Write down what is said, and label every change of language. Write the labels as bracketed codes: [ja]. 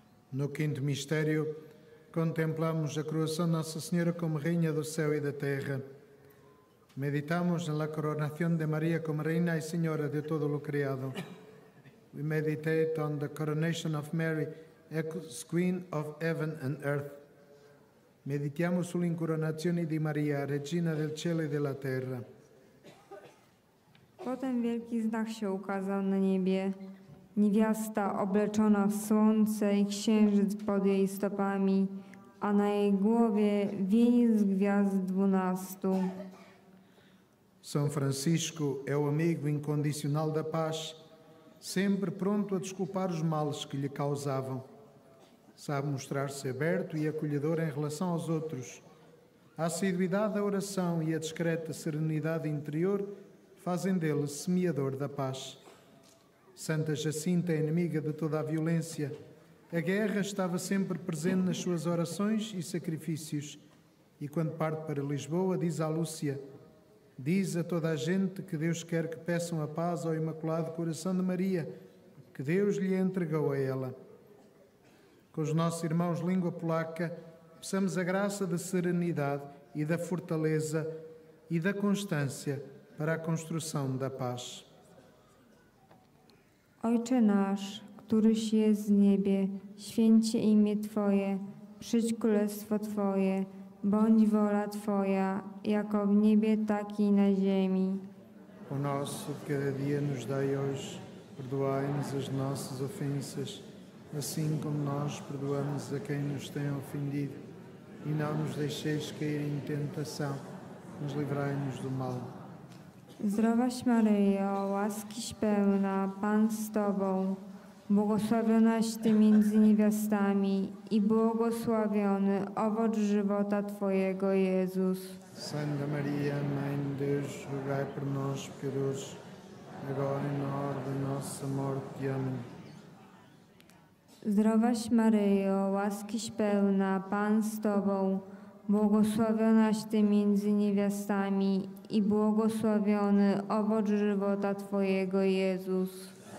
[pt] No quinto mistério, contemplamos a coroação de Nossa Senhora como Rainha do Céu e da Terra. Meditamos na coroação de Maria como Rainha e Senhora de todo o criado. [en] We meditate on the coronation of Mary as Queen of Heaven and Earth. [it] Meditamos sulla incoronazione di Maria, Regina del Cielo e della Terra. [pl] Potem wielki znak się ukazał na niebie. Niewiasta obleczona w słońce i księżyc pod jej stopami, a na jej głowie wieniec gwiazd 12. [pt] São Francisco é o amigo incondicional da paz, sempre pronto a desculpar os males que lhe causavam. Sabe mostrar-se aberto e acolhedor em relação aos outros. A assiduidade da oração e a discreta serenidade interior fazem dele semeador da paz. Santa Jacinta é inimiga de toda a violência. A guerra estava sempre presente nas suas orações e sacrifícios. E quando parte para Lisboa, diz à Lúcia, diz a toda a gente que Deus quer que peçam a paz ao Imaculado Coração de Maria, que Deus lhe entregou a ela. Com os nossos irmãos língua polaca, peçamos a graça da serenidade e da fortaleza e da constância para a construção da paz. [pl] Ojcze nasz, któryś jest w niebie, święć się imię Twoje, przyjdź królestwo Twoje, bądź wola Twoja, jako w niebie, tak i na ziemi. [pt] O nosso, cada dia nos dai hoje, perdoai-nos as nossas ofensas, assim como nós perdoamos a quem nos tem ofendido. E não nos deixeis cair em tentação, mas livrai-nos do mal. [pl] Zdrowaś Maryjo, łaskiś pełna, Pan z Tobą, błogosławionaś Ty między niewiastami i błogosławiony owoc żywota Twojego, Jezus. [pt] Santa Maria, Mãe de Deus, rogai por nós, pecadores, agora e na hora de nossa morte. Amém. [pl] Zdrowaś Maryjo, łaskiś pełna, Pan z Tobą, błogosławionaś Ty między niewiastami i błogosławiony owoc żywota Twojego, Jezus.